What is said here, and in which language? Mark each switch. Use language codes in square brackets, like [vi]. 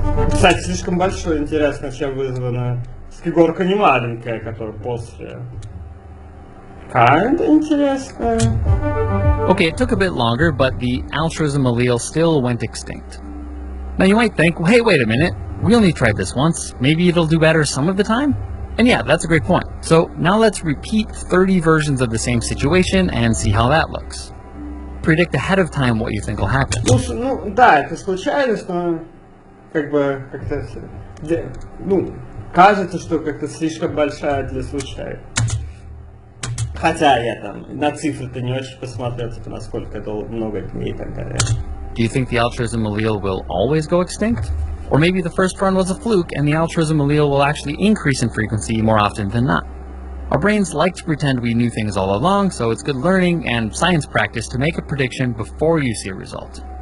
[ru] Кстати, слишком большой интерес, на чем вызвана фигурка не маленькая, которая после. [en] Kinda [ru] интересно. [en] Okay, it took a bit longer, but the altruism allele still went extinct. Now you might think, well, hey, wait a minute, we only tried this once, maybe it'll do better some of the time? And yeah, that's a great point. So now let's repeat 30 versions of the same situation and see how that looks. Predict ahead of time what you think will happen. [ru] Ну да, это случайность, но как бы как-то ну кажется, что как-то слишком большая для случая. Хотя я там на цифры-то не очень посмотрел, насколько это много дней и так далее. [en] Do you think the altruism allele will always go extinct? Or maybe the first run was a fluke, and the altruism allele will actually increase in frequency more often than not. Our brains like to pretend we knew things all along, so it's good learning and science practice to make a prediction before you see a result.